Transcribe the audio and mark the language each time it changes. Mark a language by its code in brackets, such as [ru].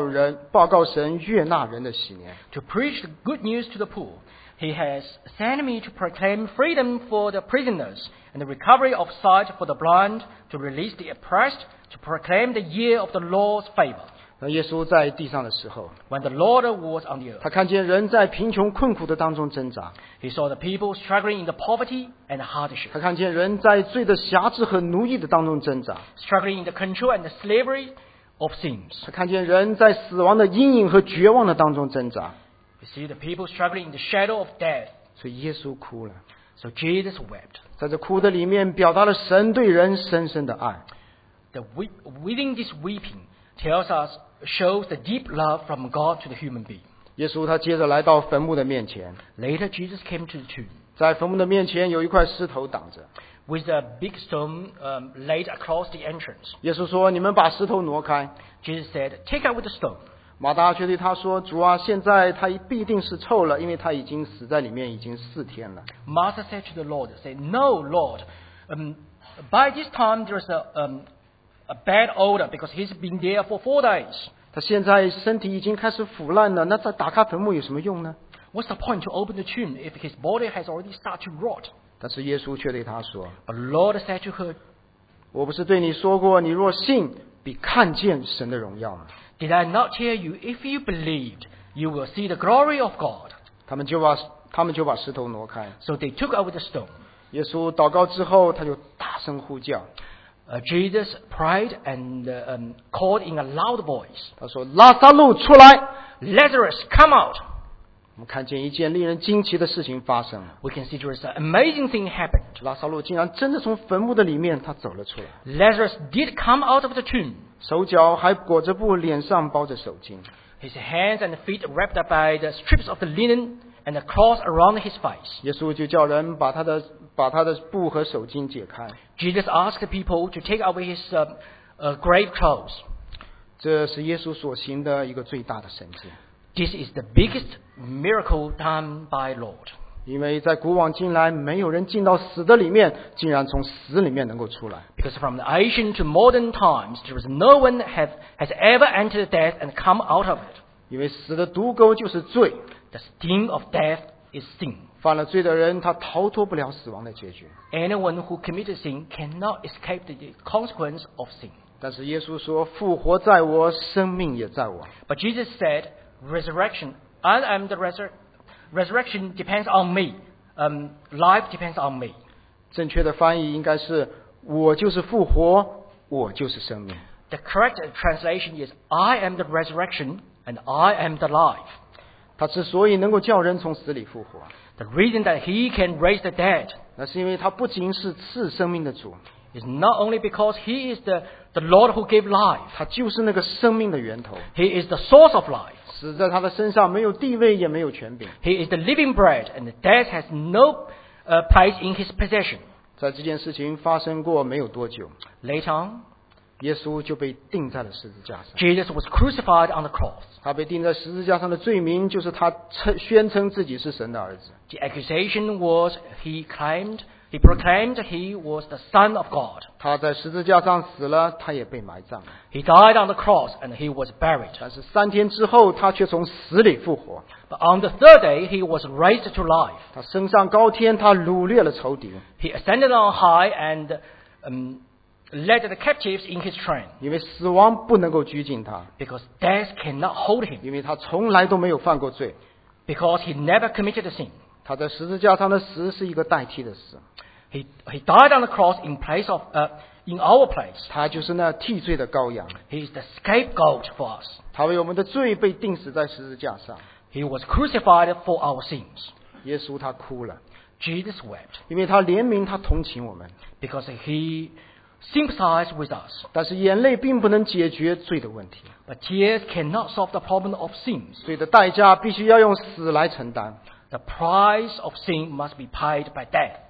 [zh] 叫我传福音给贫穷的人,差遣我报告被掳的得释放,瞎眼的得看见,叫那受压制的得自由,报告神悦纳人的喜年。 [en] To preach the good news to the poor, he has sent me to proclaim freedom for the prisoners, and the recovery of sight for the blind, to release the oppressed, to proclaim the year of the Lord's favor. [zh] 耶稣在地上的时候, [en] when the Lord was on the earth, [zh] 他看见人在贫穷困苦的当中挣扎, [en] he saw the people struggling in the poverty and hardship, [zh] 他看见人在罪的辖制和奴役的当中挣扎, [en] struggling in the control and the slavery of sins. [zh] 看见人在死亡的阴影和绝望的当中挣扎。 [en] You see the people struggling in the shadow of death. [zh] 所以耶稣哭了。 [en] So Jesus wept. [zh] 在这哭的里面，表达了神对人深深的爱。 [en] The within this weeping tells us shows the deep love from God to the human being. [zh] 耶稣他接着来到坟墓的面前。 [en] Later Jesus came to the tomb. [zh] 在坟墓的面前有一块石头挡着。 [en] With a big stone laid across the entrance. [zh] 耶稣说：“你们把石头挪开。” [en] Jesus said, "Take out with the stone." [zh] 马大却对他说：“主啊，现在他必定是臭了，因为他已经死在里面已经四天了。” [en] Martha said to the Lord, "Say, No, Lord. By this time there is a bad odor because he's been there for 4 days." [zh] 他现在身体已经开始腐烂了，那再打开坟墓有什么用呢？ [en] What's the point to open the tomb if his body has already started to rot? [zh] 但是耶稣却对他说 [en] But Lord said to her, [zh] 我不是对你说过你若信比看见神的荣耀吗 [en] Did I not tell you if you believed you will see the glory of God? [zh] 他们就把石头挪开 [en] So they took out the stone. [zh] 耶稣祷告之后他就大声呼叫 [en] Jesus prayed and called in a loud voice. [zh] 他说拉撒路出来 [en] Lazarus come out. [zh] 我们看见一件令人惊奇的事情发生了。 [en] We can see there is an amazing thing happened. [zh] 拉撒路竟然真的从坟墓的里面他走了出来。 [en] Lazarus did come out of the tomb. [zh] 手脚还裹着布，脸上包着手巾。 [en] His hands and feet wrapped up by the strips of the linen and the cloth around his face. [zh] 耶稣就叫人把他的布和手巾解开。 [en] Jesus asked people to take away his grave clothes. [zh] 这是耶稣所行的一个最大的神迹。 [en] This is the biggest miracle done by Lord. [zh] 因为在古往今来没有人进到死的里面竟然从死里面能够出来。 [en] Because from the ancient to modern times, there was no one that has ever entered death and come out of it. [zh] 因为死的毒钩就是罪。 [en] The sting of death is sin. [zh] 犯了罪的人他逃脱不了死亡的结局。 [en] Anyone who committed sin cannot escape the consequence of sin. [zh] 但是耶稣说复活在我生命也在我。 [en] But Jesus said,Resurrection. I am the resurrection depends on me. Life depends on me. [zh] 正确的翻译应该是我就是复活，我就是生命。 [en] The correct translation is I am the resurrection and I am the life. [zh] 他之所以能够叫人从死里复活。 [en] The reason that he can raise the dead. [zh] 那是因为他不仅是赐生命的主。 [en] Is not only because he is the Lord who gave life. [zh] 他就是那个生命的源头。 [en] He is the source of life. [zh] 死在他的身上没有地位也没有权柄。 [en] He is the living bread and death has no place in his possession. [zh] 在这件事情发生过没有多久。 [en] Later on, [zh] 耶稣就被钉在了十字架上。 [en] Jesus was crucified on the cross. [zh] 他被钉在十字架上的罪名就是他宣称自己是神的儿子。 [en] The accusation was He proclaimed he was the Son of God. [zh] 他在十字架上死了，他也被埋葬了。 [en] He died on the cross and he was buried. [zh] 但是三天之后，他却从死里复活。 [en] But on the third day, he was raised to life. [zh] 他升上高天，他掳掠了仇敌。 [en] He ascended on high and led the captives in his train. [zh] 因为死亡不能够拘禁他。 [en] Because death cannot hold him. [zh] 因为他从来都没有犯过罪。 [en] Because he never committed a sin. [zh] 他在十字架上的死是一个代替的死。 [en] He died on the cross in place of in our place. [zh] 他就是那替罪的羔羊。 [en] He is the scapegoat for us. [zh] 他为我们的罪被钉死在十字架上。 [en] He was crucified for our sins. [zh] 耶稣他哭了。 [en] Jesus wept. [zh] 因为他怜悯，他同情我们。 [en] Because he sympathized with us. [zh] 但是眼泪并不能解决罪的问题。 [en] But tears cannot solve the problem of sins. [zh] 罪的代价必须要用死来承担。 [en] The price of sin must be paid by death.